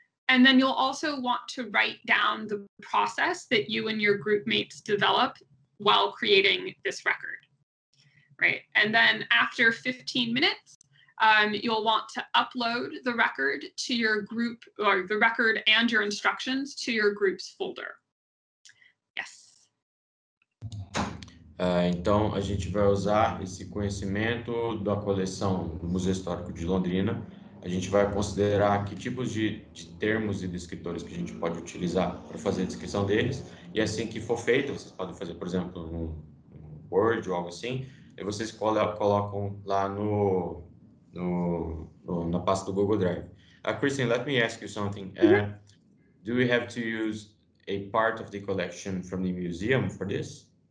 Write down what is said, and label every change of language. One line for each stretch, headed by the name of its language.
English: And then you'll also want to write down the process that you and your group mates develop while creating this record, right? And then after 15 minutes, you'll want to upload the record to your group, or the record and your instructions to your group's folder. Yes.
Portuguese: Então, a gente vai usar esse conhecimento da coleção do Museu Histórico de Londrina. A gente vai considerar que tipos de termos e descritores que a gente pode utilizar para fazer a descrição deles. E assim que for feito, vocês podem fazer, por exemplo, um Word ou algo assim, e vocês colocam lá na pasta do Google Drive.
English: Kristen, let me ask you something. Do we have to use a part of the collection from the museum for this?